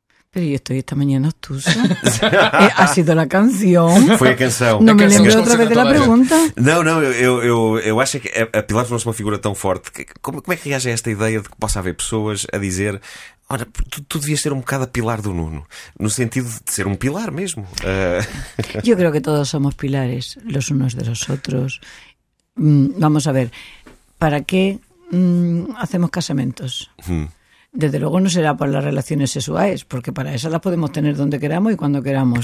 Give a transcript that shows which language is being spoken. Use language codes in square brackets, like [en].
[es] Pero yo estoy esta mañana obtusa. ¿Ha sido la canción? Fue la canción. ¿No me lembro otra vez de la pregunta? [pt] No, eu acho que a Pilar tornou-se uma figura tão forte. Como é que reage a esta ideia de que possa haver pessoas a dizer: ora, tu devias ser um bocado a Pilar do Nuno? No sentido de ser um pilar mesmo. [es] Eu creo que todos somos pilares, los unos de los otros. Vamos a ver, ¿para qué hacemos casamentos? Desde luego no será por las relaciones sexuales, porque para esas las podemos tener donde queramos y cuando queramos.